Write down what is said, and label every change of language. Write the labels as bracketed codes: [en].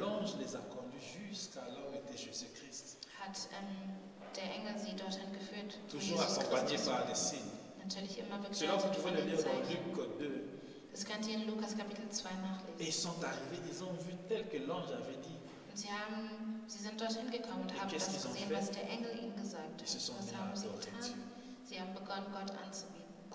[fr] l'ange les a conduits jusqu'à là où était Jésus-Christ. [de] Hat der Engel sie dorthin geführt. [fr] Toujours accompagné par des signes. [de] Natürlich immer begleitet von den Zeichen. Das könnt ihr in Lukas Kapitel 2 nachlesen. [fr] Et ils sont arrivés, ils ont vu tel que l'ange avait dit. [de] Sie sind dorthin gekommen und haben das gesehen, was der Engel ihnen gesagt hat. Was haben sie getan? Sie haben begonnen, Gott anzubieten.